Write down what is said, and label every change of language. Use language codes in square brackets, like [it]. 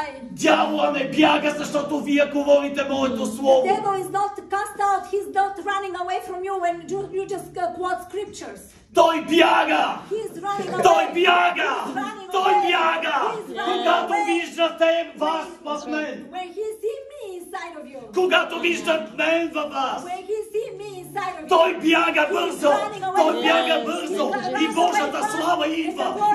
[bg] Дявола не бяга, защото вие говорите моето слово. [en] The devil is not cast out, he's not running away from you when you just quote scriptures. [bg] Той бяга! [en] He's running away. [bg] Той бяга! Той бяга! Когато виждате вас в мен! [en] When he sees me inside of you! [bg] Когато виждат мен във вас! [en] When he sees me inside of you! [bg] Той бяга бързо! Той бяга бързо! И Божията слава идва!